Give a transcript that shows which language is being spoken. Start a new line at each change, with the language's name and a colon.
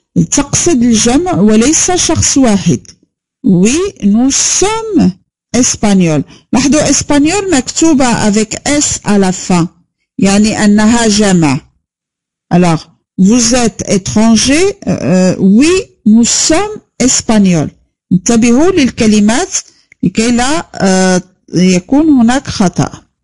Arabic: تقصد الجمع وليس شخص واحد.
French: Oui, nous sommes espagnols.
Arabic: لاحظوا
French: espagnol
Arabic: مكتوبة
French: avec S à la fin.
Arabic: يعني أنها جمع.
French: Alors, vous êtes étranger. Oui, nous sommes espagnols.
Arabic: انتبهوا للكلمات لكي لا يكون هناك خطأ.